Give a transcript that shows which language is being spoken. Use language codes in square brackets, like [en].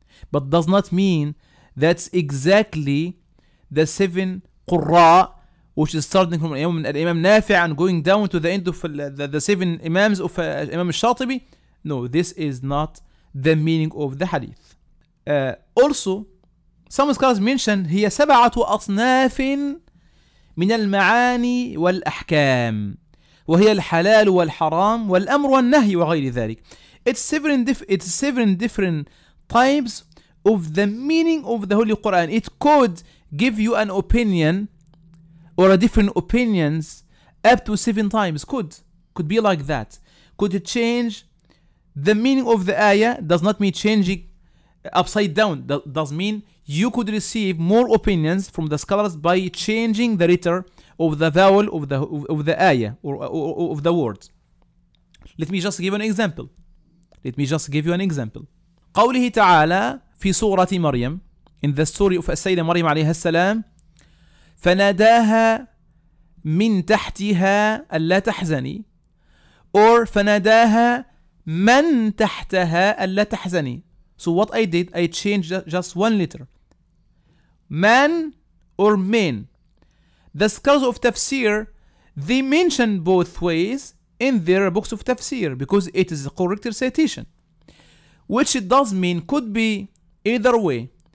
[en] But does not mean that's exactly the seven Qurra, which is starting from Imam Nafi' and going down to the end of the seven Imams of Imam al-Shatibi. No, this is not the meaning of the hadith. Also, some scholars mention [ar] هي سبعة أصناف من المعاني والأحكام وهي الحلال والحرام والأمر والنهي وغير ذلك. [en] It's seven different types of the meaning of the Holy Quran. It could give you an opinion or a different opinions up to 7 times. Could be like that. Could it change the meaning of the ayah? Does not mean changing upside down. Does mean you could receive more opinions from the scholars by changing the letter of the vowel of the ayah or of the word. Let me just give you an example. [ar] قوله تعالى في سورة مريم, [en] in the story of [ar] السيدة مريم عليها السلام, فناداها من تحتها ألا تحزني, or فناداها من تحتها ألا تحزني. [en] So what I did, I changed just one letter. Man or men. The scholars of Tafsir, they mention both ways in their books of Tafsir because it is a correct recitation. Which it does mean could be either way.